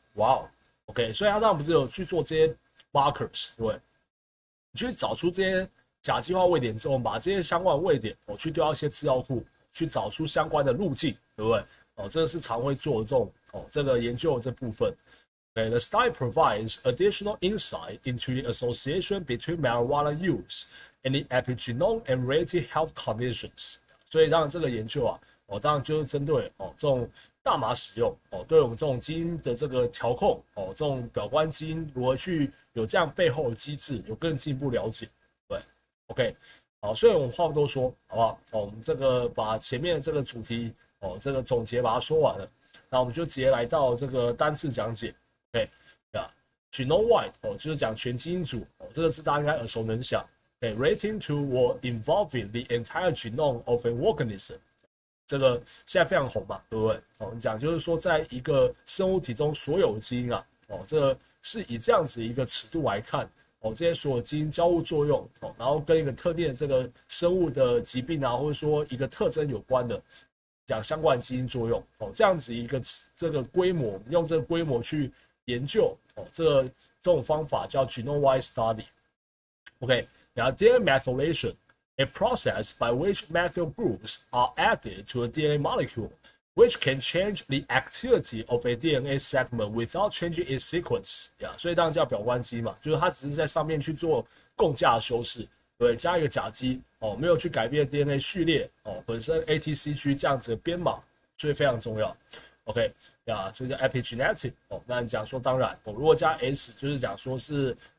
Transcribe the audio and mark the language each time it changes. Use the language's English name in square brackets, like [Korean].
[Chinese] 哇，OK，所以他当然不是有去做这些。markers 对，你去找出这些甲基化位点之后，把这些相关的位点，去丢到一些资料库，去找出相关的路径，对不对？这个是常会做的这种这个研究的这部分。 [English] The study provides additional insight into the association between marijuana use and the epigenome and related health conditions。 [Chinese] 所以，当然这个研究啊，当然就是针对这种。大麻使用对我们这种基因的这个调控这种表观基因如何去有这样背后的机制，有更进一步了解。对，OK，所以我们话不多说，好不好？我们这个把前面的这个主题这个总结把它说完了，那我们就直接来到这个单字讲解。 OK，genome-wide 就是讲全基因组这个是大家应该耳熟能详。 [English] Relating to or involving the entire genome of an organism。 [Chinese] 这个现在非常红嘛，对不对？你讲就是说，在一个生物体中所有的基因啊，这是以这样子一个尺度来看，这些所有基因交互作用，然后跟一个特定的这个生物的疾病啊，或者说一个特征有关的，讲相关基因作用，这样子一个这个规模，用这个规模去研究，这种方法叫 genome-wide study。 [English] OK，然后 DNA methylation。 A process by which methyl groups are added to a DNA molecule, which can change the activity of a DNA segment without changing its sequence. [Chinese] 所以当然叫表观基因嘛，就是它只是在上面去做共价修饰，对，加一个甲基，没有去改变 DNA 序列，本身 ATCG 这样子的编码，所以非常重要。所以叫 epigenetic。那你讲说当然，如果加 S，就是讲说是。